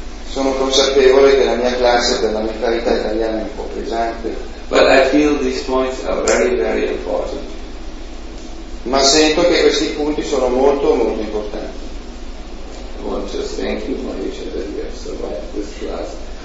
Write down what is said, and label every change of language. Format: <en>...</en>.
<it>Sono consapevole che la mia classe per la mentalità italiana è un po' pesante.</it> <en>But I feel these points are very, very important.</en> <it>Ma sento che questi punti sono molto, molto importanti.</it> <en>I want to thank you, Maharaja, that you have survived this class.</en>